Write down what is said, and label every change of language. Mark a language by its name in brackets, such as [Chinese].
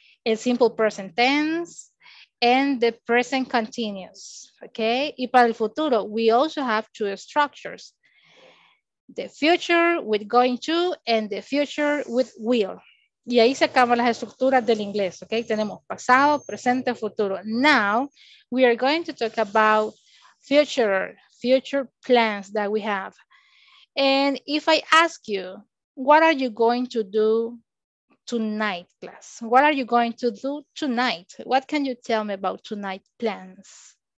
[English] El simple present tense and the present continuous. Okay? [Spanish] Y para el futuro, [English] we also have two structures. The future with going to and the future with will. [Spanish] Y ahí se acaban las estructuras del inglés. Okay? Tenemos pasado, presente, futuro. [English] Now, we are going to talk about future plans that we have. And if I ask you, what are you going to do tonight, class? What are you going to do tonight? What can you tell me about tonight plans?